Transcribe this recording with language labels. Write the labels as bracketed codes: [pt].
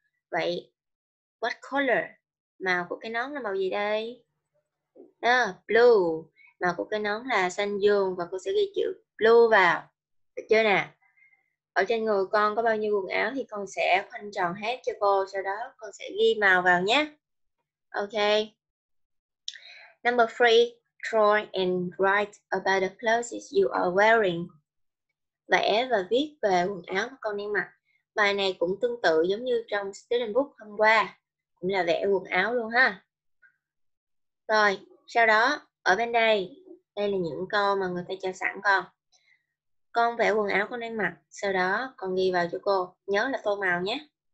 [vi] Vậy, [en] what color? [vi] Màu của cái nón là màu gì đây? Blue. Màu của cái nón là xanh dương và cô sẽ ghi chữ blue vào. Được chưa nè? Ở trên người con có bao nhiêu quần áo thì con sẽ khoanh tròn hết cho cô, sau đó con sẽ ghi màu vào nhé. [en] Ok. Number 3, draw and write about the clothes you are wearing. [vi] Vẽ và viết về quần áo mà con đang mặc. Bài này cũng tương tự giống như trong student book hôm qua, cũng là vẽ quần áo luôn ha. Rồi, sau đó ở bên đây, đây là những câu mà người ta cho sẵn con. Con vẽ quần áo con đang mặc, sau đó con ghi vào cho cô, nhớ là tô màu nhé.